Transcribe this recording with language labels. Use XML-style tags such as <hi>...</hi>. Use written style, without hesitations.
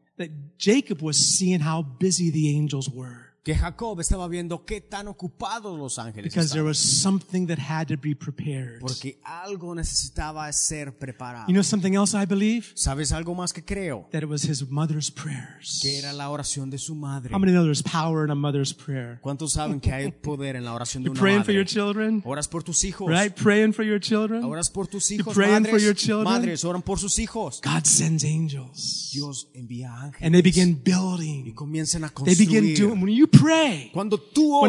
<en>that Jacob was seeing how busy the angels were.</en> <es>Que Jacob estaba viendo qué tan ocupados los ángeles</es> <en>because</en> <es>estaban.</es> <en>Because there was something that had to be prepared.</en> <es>Porque algo necesitaba ser preparado.</es> <en>You know something else I believe?</en> <es>¿Sabes algo más que creo?</es> <en>That it was his mother's prayers.</en> <es>Que era la oración de su madre.</es> <en>How many know there's power in a mother's prayer?</en> <es>¿Cuántos saben que hay poder en la oración de una madre?</es> <en>You're praying for your children?</en> <es>Oras por tus hijos.</es> <en>Right? Praying for your children?</en> <es>Oras por tus hijos.</es> <en>You're praying</en> <es>madres,</es> <en>for your children?</en> <es>Madres, oran por sus hijos.</es> <en>God sends angels.</en> <es>Dios envía ángeles.</es> <en>And they begin building.</en> <es>Y comienzan a construir.</es> <en>They begin doing. When you pray.</en> <es>Cuando tú oras,</es>